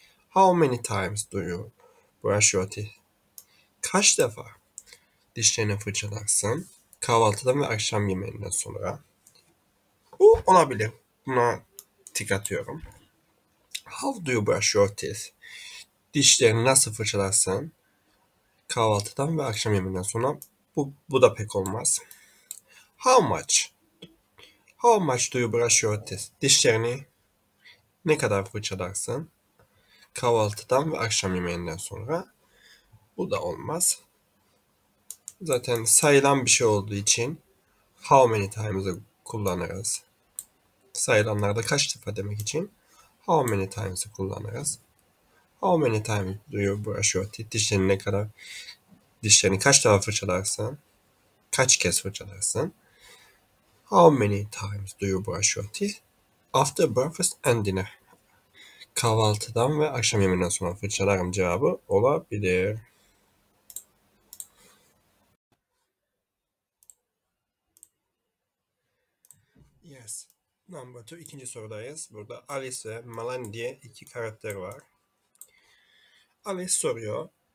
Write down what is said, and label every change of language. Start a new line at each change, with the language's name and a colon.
English: How many times do you brush your teeth?
Turkish: Kaç defa dişlerini fırçalarsın kahvaltıdan ve akşam yemeğinden sonra? Bu olabilir.
English: Buna tik atıyorum. How do you brush your teeth?
Turkish: Dişlerini nasıl fırçalarsın kahvaltıdan ve akşam yemeğinden sonra? Bu da pek olmaz.
English: How much do you brush your teeth?
Turkish: Dişlerini ne kadar fırçalarsın kahvaltıdan ve akşam yemeğinden sonra? Bu da olmaz. Zaten sayılan bir şey olduğu için how many times'ı kullanırız. Sayılanlarda kaç defa demek için how many times'ı kullanırız.
English: How many times do you brush your teeth? Dişlerini ne kadar? Dişlerini kaç defa fırçalarsın? Kaç kez fırçalarsın? How many times do you brush your teeth? After breakfast and dinner.
Turkish: Kahvaltıdan ve akşam yemeğinden sonra fırçalarım cevabı olabilir. Yes. Number two. İkinci sorudayız. Burada Alice ve Melanie diye iki karakter var. Alice soruyor.